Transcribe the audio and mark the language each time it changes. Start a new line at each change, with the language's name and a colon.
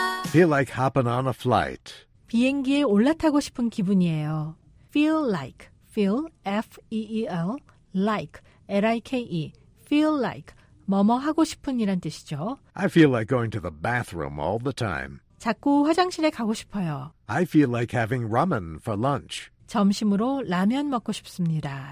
English: Feel like hopping on a flight.
Korean: 비행기에 올라타고 싶은 기분이에요.
English: Feel like, feel, F-E-E-L, like, L-I-K-E, feel like,
Korean: 뭐뭐 하고 싶은 이란 뜻이죠.
English: I feel like going to the bathroom all the time.
Korean: 자꾸 화장실에 가고 싶어요.
English: I feel like having ramen for lunch.
Korean: 점심으로 라면 먹고 싶습니다.